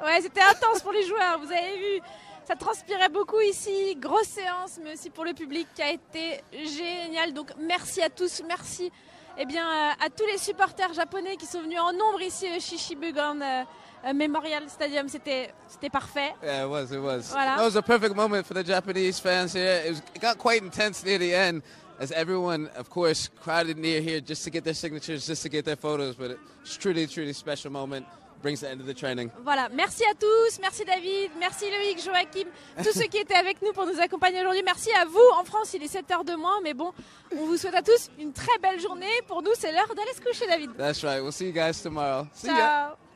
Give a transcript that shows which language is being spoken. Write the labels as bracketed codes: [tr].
[fr] Ouais, c'était intense pour les joueurs, vous avez vu. Ça transpirait beaucoup ici, grosse séance, mais aussi pour le public qui a été génial. Donc merci à tous, merci eh bien, à tous les supporters japonais qui sont venus en nombre ici au Shichibukan Memorial Stadium. C'était parfait. [en] Yeah, it was. [fr] Voilà. [en] That was a perfect moment for the Japanese fans here. It got quite intense near the end, as everyone, of course, crowded near here just to get their signatures, just to get their photos, but it's truly, truly special moment. Brings the end of the training. [fr] Voilà, merci à tous, merci David, merci Loïc, Joachim, tous ceux qui étaient avec nous pour nous accompagner aujourd'hui. Merci à vous en France, il est 7h de moins, mais bon, on vous souhaite à tous une très belle journée. Pour nous, c'est l'heure d'aller se coucher, David. [en] That's right, we'll see you guys tomorrow. [it] Ciao. [en] See ya.